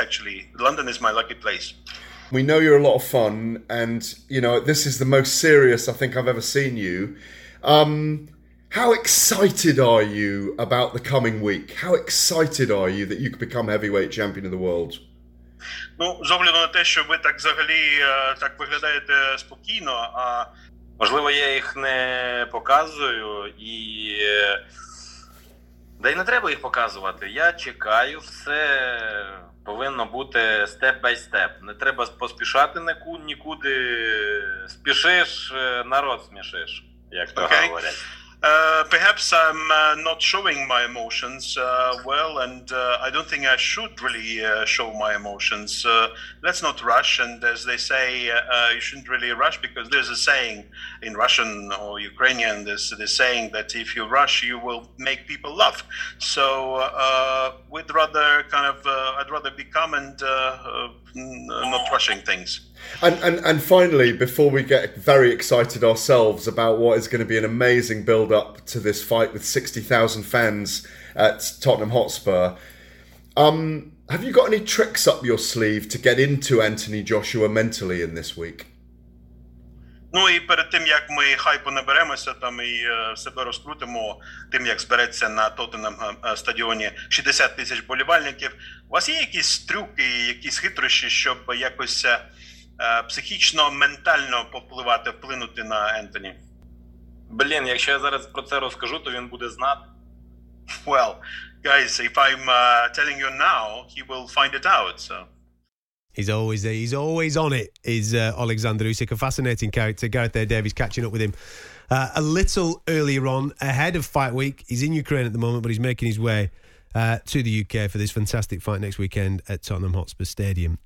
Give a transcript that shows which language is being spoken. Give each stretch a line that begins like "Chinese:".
English: Actually, London is my lucky place. We know you're a lot of fun, and you know this is the most serious I think I've ever seen you. How excited are you about the coming week? How excited are you that you could become heavyweight champion of the world?
Ukrainian: Ну, з огляду на те, що ви так взагалі так виглядаєте спокійно, а можливо, я їх не показую, і да й не треба їх показувати. Я чекаю, все повинно бути
English: step by step.
Ukrainian: Не треба поспішати нікуди. Спішиш, народ смішиш, як то говорять.
English: Perhaps I'm not showing my emotions well, and I don't think I should really show my emotions. Let's not rush, and as they say, you shouldn't really rush, because there's a saying in Russian or Ukrainian, there's this saying that if you rush, you will make people laugh. So I'd rather be calm and not rushing things. And finally, before we get very excited ourselves about what is going to be an amazing build-up to this fight with 60,000 fans at Tottenham Hotspur, Have you got any tricks up your sleeve to get into Anthony Joshua mentally in this week?
Ukrainian: Ну і перед тим, як ми хайпу наберемося там і себе розкрутимо, тим, як збереться на Тоттенхем стадіоні 60 тисяч болівальників, у вас є якісь трюки, якісь хитрощі, щоб якось психічно, ментально повпливати, вплинути на Ентоні? Блін, якщо я зараз про це розкажу, то він буде знати.
English: Well, guys, if I'm telling you now, he will find it out, so... He's always there. He's always on it, is Oleksandr Usyk. A fascinating character. Gareth there, Davies, catching up with him a little earlier on, ahead of fight week. He's in Ukraine at the moment, but he's making his way to the UK for this fantastic fight next weekend at Tottenham Hotspur Stadium.